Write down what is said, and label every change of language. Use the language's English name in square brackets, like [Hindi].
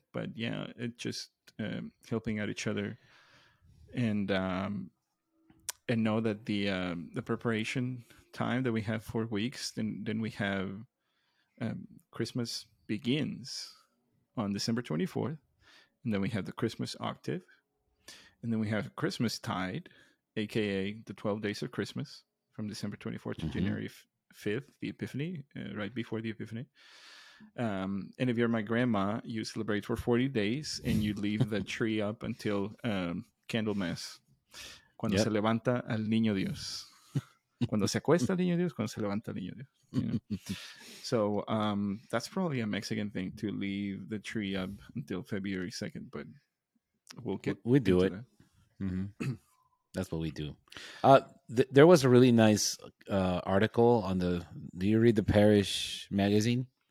[English] But yeah, it just helping out each other, and know that the preparation time that we have, 4 weeks, then we have Christmas begins on December 24th, and then we have the Christmas octave, and then we have Christmas tide, aka the 12 days of Christmas from December 24th to January 5th, the Epiphany, right before the Epiphany. And if you're my grandma, you celebrate for 40 days and you leave the tree up until Candlemas. [Spanish] Cuando se levanta al niño Dios. Cuando se acuesta al niño Dios, cuando se levanta al niño Dios. [English] So that's probably a Mexican thing, to leave the tree up until February 2nd, but we'll get we do it. That's what we do. There was a really nice article on the, do you read the Parish magazine?